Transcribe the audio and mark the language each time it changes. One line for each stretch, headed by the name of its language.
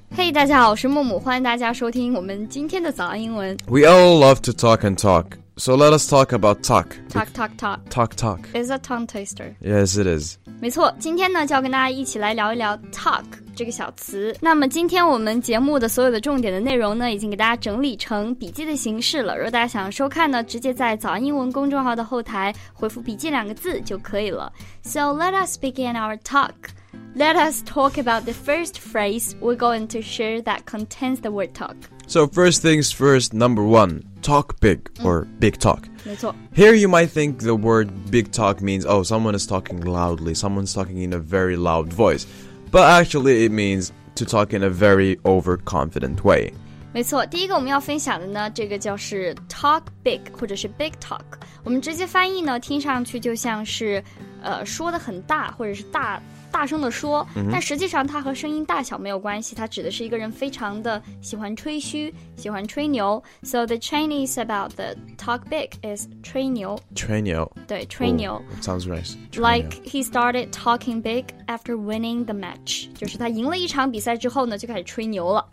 Chinese: Hey, 大家好，我是木木，欢迎大家收听我们今天的早安英文。
English: We all love to talk and talk, so let us talk about talk. Talk. It's a tongue twister. Yes, it is.
Chinese: 没错，今天呢就要跟大家一起来聊一聊 talk 这个小词。那么今天我们节目的所有的重点的内容呢，已经给大家整理成笔记的形式了。如果大家想收看呢，直接在早安英文公众号的后台回复笔记两个字就可以了。
English: So let us begin our talk. Let us talk about the first phrase we're going to share that contains the word talk. So first things first, number one, talk big or big talk.
Chinese: 没错。
English: Here you might think the word big talk means, oh, someone is talking loudly, someone's talking in a very loud voice. But actually it means to talk in a very overconfident way.
Chinese: 没错，第一个我们要分享的呢，这个就是 talk big 或者是 big talk。我们直接翻译呢，听上去就像是，说的很大，或者是大声的说。 Mm-hmm. 但实际上它和声音大小没有关系，它指的是一个人非常的喜欢吹嘘，喜欢吹牛。
English: So the Chinese about the talk big is 吹牛。
Chinese: 吹牛。对，吹牛。
English: Ooh, sounds nice. Like he started talking big after winning the match.
Chinese: 就是他赢了一场比赛之后呢，就开始吹牛了。